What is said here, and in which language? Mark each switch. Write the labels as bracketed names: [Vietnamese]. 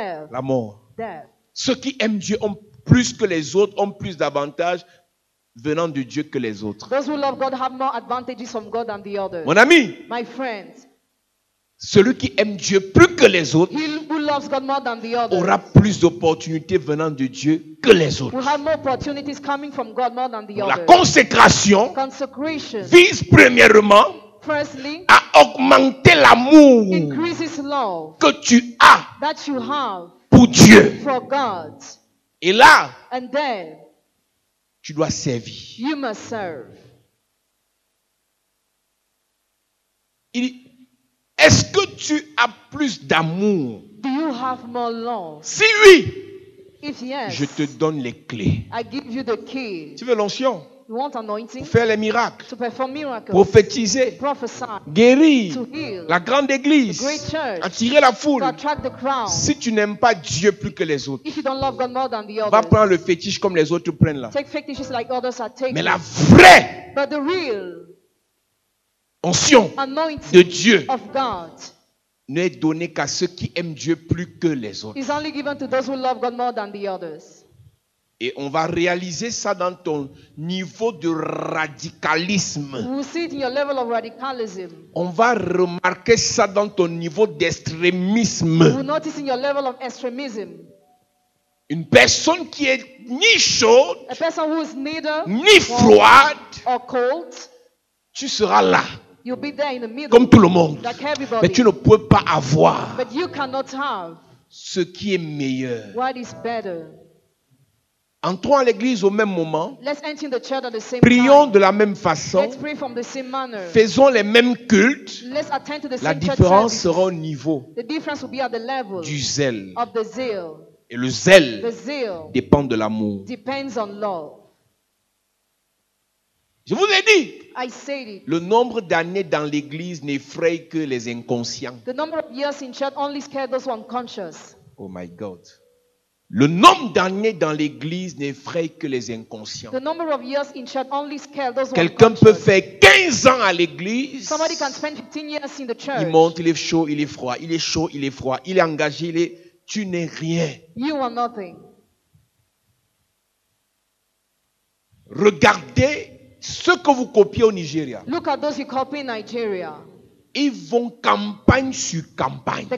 [French] La mort. Ceux qui aiment Dieu ont plus que les autres, ont plus d'avantages venant de Dieu que les autres. [English] Those who love God have more advantages from God than the others. [French] Mon ami, [English] my friends, [French] celui qui aime Dieu plus que les autres, [English] he who loves God more than the others, [French] aura plus d'opportunités venant de Dieu que les autres. [English] Will have more opportunities coming from God more than the others. [French] La consécration vise premièrement [English] firstly, [French] à augmenter l'amour [English] increases love [French] que tu as [English] that you have [French] pour Dieu. [English] For God. [French] Et là, [English] and then, [French] tu dois servir. [English] You must serve. [French] Il dit, est-ce que tu as plus d'amour? [English] Do you have more love? [French] Si oui, [English] if yes, [French] je te donne les clés. [English] I give you the key. [French] Tu veux l'onction? [English] You want anointing? [French] Pour faire les miracles? [English] To perform miracles? [French] Prophétiser? [English] To prophesy? [French] Guérir? [English] To heal? [French] La grande église? [English] The great church? [French] Attirer la foule? [English] To attract the crowd? [French] Si tu n'aimes pas Dieu plus que les autres, [English] if you don't love God more than the others, [French] va prendre le fétiche comme les autres prennent là. [English] Take fetishes like others are taking. [French] Mais la vraie, [English] but the real, [French] onction [English] anointing [French] de Dieu [English] of God [French] n'est donnée qu'à ceux qui aiment Dieu plus que les autres. [English] Is only given to those who love God more than the others. [French] Et on va réaliser ça dans ton niveau de radicalisme. [English] We'll see it in your level of radicalism. [French] On va remarquer ça dans ton niveau d'extrémisme. [English] We'll notice in your level of extremism. [French] Une personne qui est ni chaude, [English] a person who is neither [French] ni froide, [English] or cold, [French] tu seras là. [English] You'll be there in the middle, [French] comme tout le monde. [English] Like everybody. [French] Mais tu ne peux pas avoir [English] but you cannot have [French] ce qui est meilleur. [English] What is better. [French] Entrons à l'église au même moment. [English] Let's enter the church at the same [French] prions [English] time [French] de la même façon. [English] Let's pray from the same manner. [French] Faisons les mêmes cultes. [English] Let's attend to the same [French] la différence church sera au niveau [English] the difference will be at the level [French] du zèle. [English] Of the zeal. [French] Et le zèle [English] the zeal [French] dépend de l'amour. [English] Depends on love. [French] Je vous ai dit, [English] I say it. [French] Le nombre d'années dans l'église n'effraie que les inconscients. [English] The number of years in church only scares those who are unconscious. Oh my God. [French] Le nombre d'années dans l'église n'effraie que les inconscients. [English] The number of years in church only scares those [French] quelqu'un peut faire 15 ans à l'église. [English] Somebody can spend 15 years in the church. [French] Il monte, il est chaud, il est froid. Il est chaud, il est froid. Il est engagé, il est... Tu n'es rien. [English] You are nothing. [French] Regardez ce que vous copiez au Nigeria. [English] Look at those you copy in Nigeria. [French] Ils vont campagne sur campagne.